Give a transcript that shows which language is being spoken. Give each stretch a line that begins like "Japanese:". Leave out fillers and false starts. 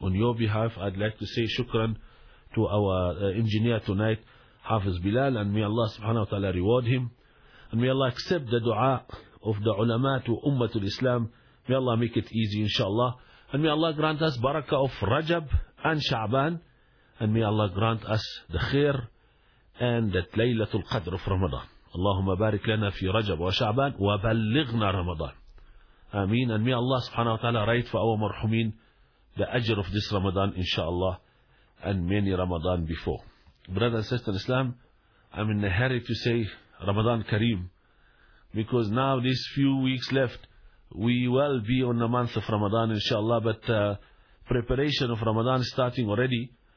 English: On your behalf, I'd like to say shukran to our engineer tonight, Hafiz Bilal, and may Allah subhanahu wa ta'ala reward him. And may Allah accept the dua of the ulama to Ummatul Islam. May Allah make it easy, inshallah. And may Allah grant us barakah of Rajab and Sha'ban. And may Allah grant us the khair and that Laylatul Qadr of Ramadan.
Arabic: اللهم بارك لنا في رجب وشعبان وبلغنا رمضان آمين.
English: And may Allah subhanahu wa ta'ala write for our marhumin the ajr of this Ramadan inshallah and many Ramadan before. Brother and sister Islam, I'm in a hurry to say Ramadan Kareem, because now these few weeks left, we will be on the month of Ramadan inshallah, but preparation of Ramadan is starting already.